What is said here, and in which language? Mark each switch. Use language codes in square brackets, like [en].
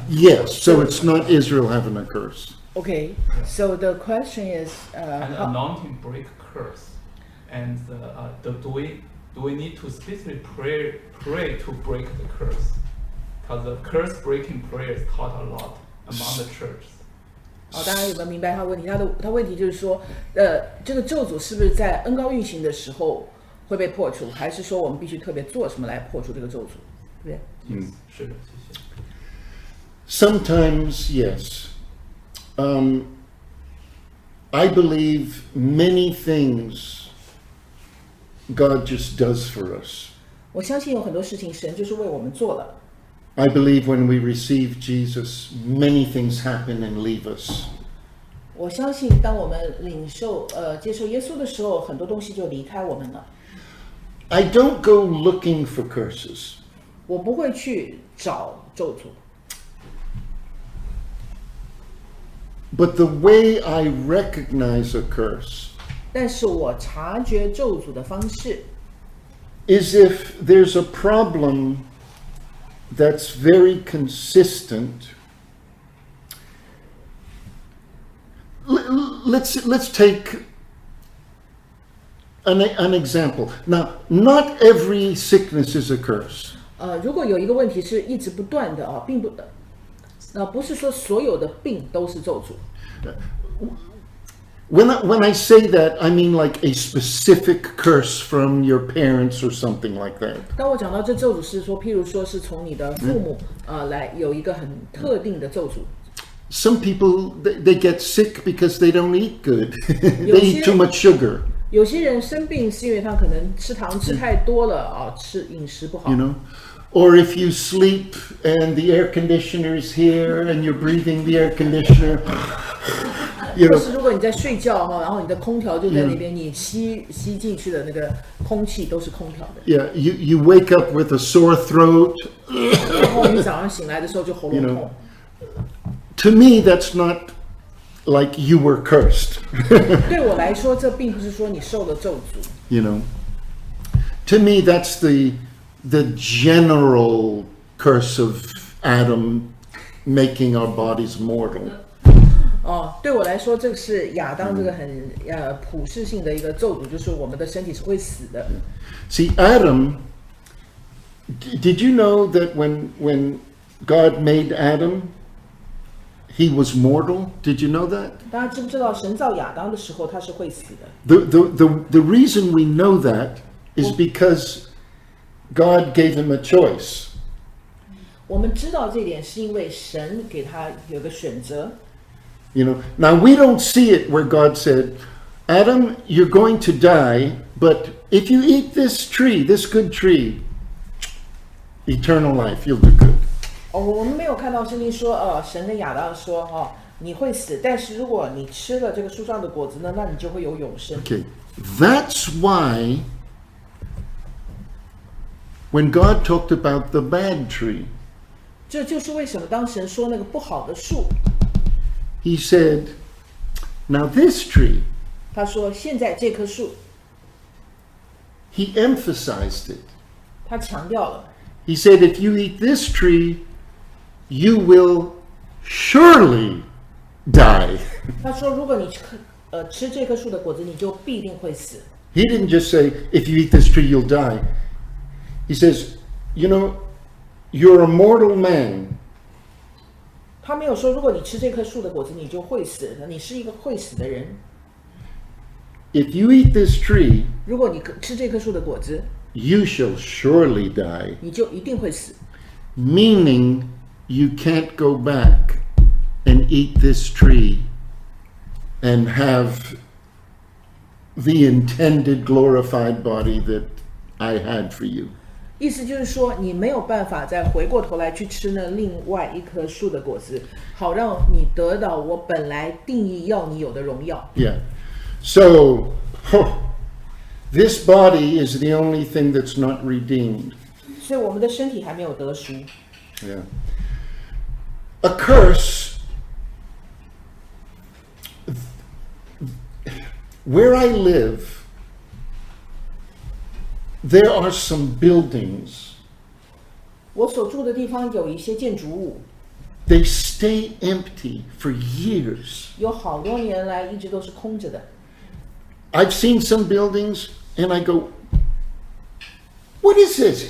[en] Yes, so it's not Israel having a curse. Okay, so the question is, an anointing break curse, and do we need to specifically pray to break the curse? Because the curse breaking prayer is taught a lot among the church. [zh] 大家有没有明白他问题？他问题就是说，这个咒诅是不是在恩膏运行的时候？会被破除，还是说我们必须特别做什么来破除这个咒诅？对，是的，谢谢。 [en] Sometimes yes, I believe many things God just does for us. [zh] 我相信有很多事情神就是为我们做了。 [en] I believe when we receive Jesus, many things happen and leave us. [zh] 我相信当我们领受接受耶稣的时候，很多东西就离开我们了。 [en] I don't go looking for curses. [zh] 我不会去找咒诅。 [en] But the way I recognize a curse. [zh] 但是我察觉咒诅的方式。 [en] Is if there's a problem that's very consistent. Let's take an example. Now, not every sickness is a curse. [zh] 如果有一个问题是一直不断的啊，并不，那不是说所有的病都是咒诅。 [en] When I say that, I mean like a specific curse from your parents or something like that. [zh] 当我讲到这咒诅是说，譬如说是从你的父母来有一个很特定的咒诅。 [en] Some people they get sick because they don't eat good. They eat too much sugar. [zh] 有些人生病是因为他可能吃糖吃太多了啊，吃饮食不好。 [en] You know, or if you sleep and the air conditioner is here and you're breathing the air conditioner. [zh] 就是如果你在睡觉哈，然后你的空调就在那边，你吸进去的那个空气都是空调的。 [en] Yeah, you wake up with a sore throat. [zh] 然后你早上醒来的时候就喉咙痛。 [en] To me, that's not like you were cursed. [zh] 对我来说，这并不是说你受了咒诅。 [en] You know, to me, that's the general curse of Adam making our bodies mortal. [zh] 哦，对我来说，这是亚当这个很普世性的一个咒诅，就是我们的身体是会死的。 [en] See, Adam, did you know that when God made Adam? He was mortal. Did you know that? [zh] 大家知不知道神造亚当的时候他是会死的？ [en] The reason we know that is because God gave him a choice. [zh] 我们知道这点是因为神给他有个选择。 [en] You know, now we don't see it where God said, Adam, you're going to die, but if you eat this tree, this good tree, eternal life, you'll do good. [zh] 我们没有看到圣经说神跟亚当说你会死，但是如果你吃了这个树上的果子呢，那你就会有永生。 [en] Okay, that's why when God talked about the bad tree, [zh] 这就是为什么当神说那个不好的树。 [en] He said, now this tree, [zh] 他说现在这棵树。 [en] He emphasized it. [zh] 他强调了。 [en] He said, if you eat this treeYou will surely die. [zh] 他说如果你吃这棵树的果子你就必定会死。 [en] He didn't just say, if you eat this tree, you'll die. He says, you know, you're a mortal man. [zh] 他没有说如果你吃这棵树的果子你就会死，你是一个会死的人。 [en] If you eat this tree, [zh] 如果你吃这棵树的果子， [en] you shall surely die. [zh] 你就一定会死。 [en] Meaning,You can't go back and eat this tree and have the intended glorified body that I had for you. [zh] 意思就是说，你没有办法再回过头来去吃那另外一棵树的果子，好让你得到我本来定义要你有的荣耀。 [en] Yeah. So, this body is the only thing that's not redeemed. [zh] 所以我们的身体还没有得赎。 [en] Yeah. A curse, where I live, there are some buildings. [zh] 我所住的地方有一些建筑物。 [en] They stay empty for years. [zh] 有好多年来一直都是空着的。 [en] I've seen some buildings and I go, what is this?